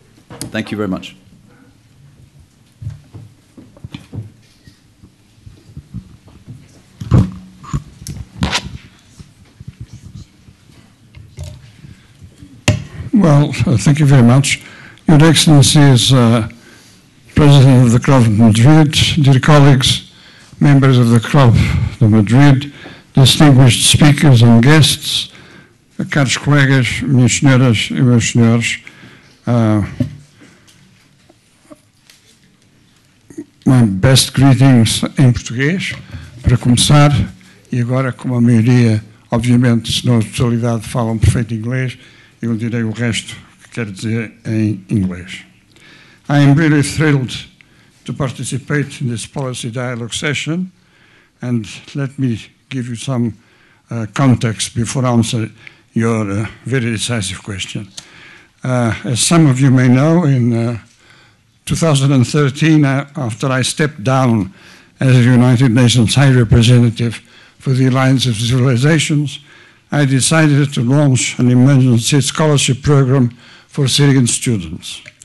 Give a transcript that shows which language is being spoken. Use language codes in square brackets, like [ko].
[en] Thank you very much. Well, thank you very much. Your Excellency is President of the Club of Madrid, dear colleagues, members of the Club of Madrid, distinguished speakers and guests, [pt] caros colegas, minhas senhoras e meus senhores, [en] my best greetings [pt] em português, para começar, e agora, como a maioria, obviamente, se não a totalidade, falam perfeito inglês, eu direi o resto que quer dizer em inglês. [en] I am really thrilled to participate in this policy dialogue session, and let me give you some context before answering your very decisive question. As some of you may know, in 2013, after I stepped down as a United Nations High Representative for the Alliance of Civilizations, I decided to launch an emergency scholarship program for Syrian students.